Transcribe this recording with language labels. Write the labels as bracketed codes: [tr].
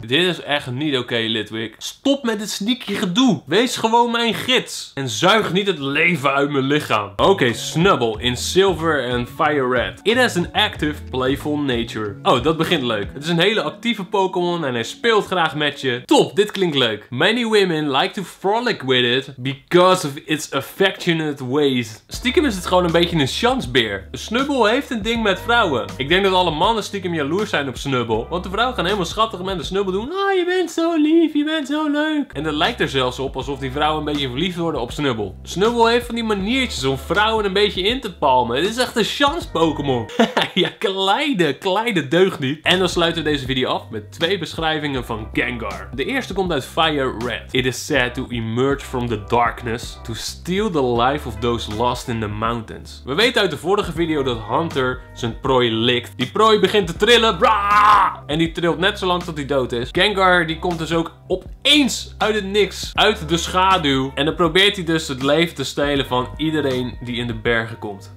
[nl] Dit is echt niet oké, Litwick. Stop met het sneaky gedoe. Wees gewoon mijn gids. En zuig niet het leven uit mijn lichaam. Oké, Snubbull in Silver en Fire Red. [en] It has an active, playful nature. [nl] Oh, dat begint leuk. Het is een hele actieve Pokémon en hij speelt graag met je. Top, dit klinkt leuk. [en] Many women like to frolic with it because of its affectionate ways. [nl] Stiekem is het gewoon een beetje een chancebeer. Snubbull heeft een ding met vrouwen. Ik denk dat alle mannen stiekem jaloers zijn op Snubbull. Want de vrouwen gaan helemaal schattig met de Snubbull doen. Ah, oh, je bent zo lief, je bent zo leuk. En dat lijkt er zelfs op alsof die vrouwen een beetje verliefd worden op Snubbull. Snubbull heeft van die maniertjes om vrouwen een beetje in te palmen. Dit is echt een chance Pokémon. Ja, kleine deugd niet. En dan sluiten we deze video af met twee beschrijvingen van Gengar. De eerste komt uit Fire Red. [en] It is said to emerge from the darkness to steal the life of those lost in the mountains. [nl] We weten uit de vorige video dat Hunter zijn prooi likt. Die prooi begint te trillen. En die trilt net zo lang tot hij dood is. Gengar die komt dus ook opeens uit het niks. Uit de schaduw. En dan probeert hij dus het leven te stelen van iedereen die in de bergen komt.